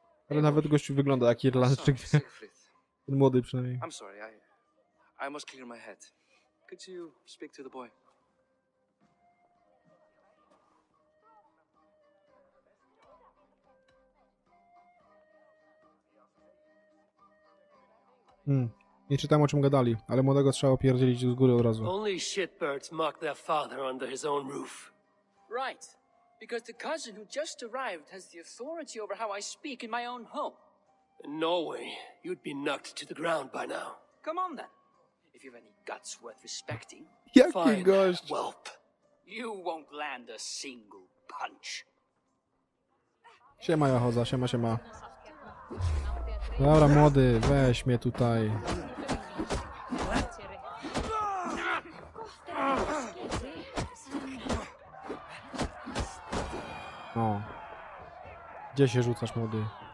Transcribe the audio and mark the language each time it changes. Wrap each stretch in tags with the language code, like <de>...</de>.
<pl>Ale nawet gościu wygląda jak Irlandczyk. Ten młody przynajmniej.</pl> <en>I'm sorry, I must clear my head. Could you speak to the boy?</en> <pl>Nie czytam, o czym gadali, ale młodego trzeba opierdzielić z góry od razu.</pl> <en>Only shitbirds mock their father under his own roof. Right, because the cousin who just arrived has the authority over how I speak in my own home. In no way, you'd be knocked to the ground by now. Come on then, if you've any guts worth respecting.</en> <pl>Jaki gość!</pl> <en>Whelp, you won't land a single punch.</en> <pl>Siema Jahoza, siema siema. Dobra, młody, weź mnie tutaj. O. Gdzie się rzucasz, młody?</pl>